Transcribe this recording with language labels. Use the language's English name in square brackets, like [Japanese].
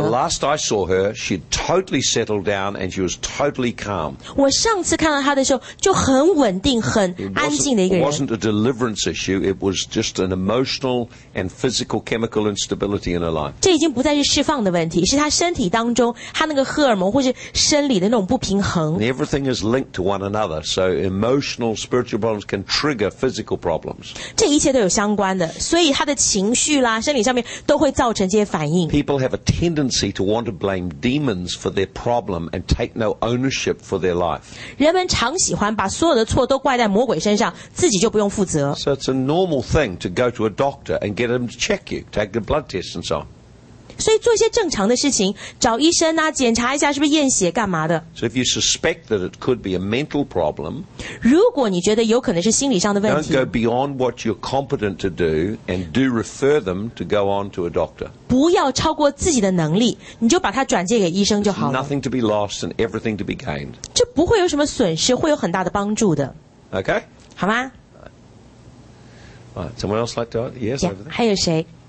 [English] The last I saw her, she totally settled down and she was totally calm. [Chinese] 我上次看到她的时候就很稳定很安静。 [English] It wasn't a deliverance issue, it was just an emotional and physical chemical instability in her life. [Chinese] 这已经不再是释放的问题，是她身体当中，她那个荷尔蒙或是生理的那种不平衡。 [English] And everything is linked to one another, so emotional, spiritual problems can trigger physical problems. [Chinese] 这一切都有相关的，所以她的情绪啦，生理上面都会造成这些反应。 [English] People have a tendency to want to blame demons for their problem and take no ownership for their life. [Chinese] 人们常喜欢把所有的错都怪在魔鬼身上。自己就不用负责。 [English] So it's a normal thing to go to a doctor and get him to check you, take the blood test and so on. [Chinese] 所以做一些正常的事情，找医生啊，检查一下是不是验血干嘛的。 [English] So if you suspect that it could be a mental problem, [Chinese] 如果你觉得有可能是心理上的问题 [English] don't go beyond what you're competent to do and do refer them to go on to a doctor. [Chinese] 不要超过自己的能力，你就把它转接给医生就好了。 [English] There's nothing to be lost and everything to be gained. [Chinese] 这不会有什么损失，会有很大的帮助的。 [English] Okay. [Chinese] 好吗 [English] right, Someone else like to? Yes, [Chinese] yeah, 还有谁